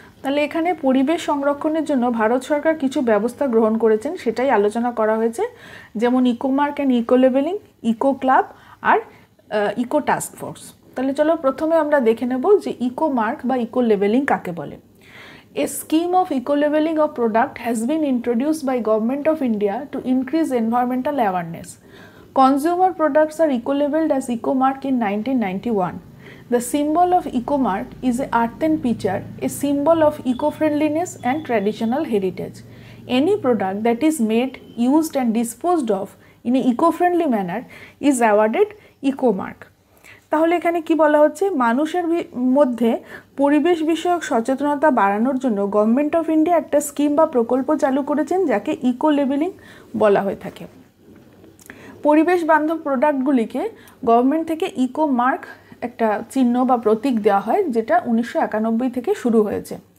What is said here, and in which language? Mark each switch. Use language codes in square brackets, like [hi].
[bn] তাহলে এখানে পরিবেশ সংরক্ষণের জন্য ভারত সরকার কিছু ব্যবস্থা গ্রহণ করেছেন, সেটাই আলোচনা করা হয়েছে, যেমন ইকোমার্ক and eco leveling, eco club আর eco task force. তাহলে চলো প্রথমে আমরা দেখে নেব যে ইকোমার্ক বা ইকো লেভেলিং কাকে বলে। [en] A scheme of eco leveling of product has been introduce by government of India to increase environmental awareness. Consumer products are eco-labeled as Ecomark in 1991. The symbol of Ecomark is an earthen pitcher, a symbol of eco-friendliness and traditional heritage. Any product that is made, used and disposed of in an eco-friendly manner is awarded Ecomark. [bn] তাহলে এখানে কি বলা হচ্ছে, মানুষের মধ্যে পরিবেশ বিষয়ক সচেতনতা বাড়ানোর জন্য গভর্নমেন্ট অফ ইন্ডিয়া একটা স্কিম বা প্রকল্প চালু করেছেন যাকে ইকো-লেবেলিং বলা হয়ে থাকে। পরিবেশ বান্ধব প্রোডাক্টগুলিকে গভর্নমেন্ট থেকে ইকো মার্ক একটা চিহ্ন বা প্রতীক দেওয়া হয়, যেটা 1991 থেকে শুরু হয়েছে।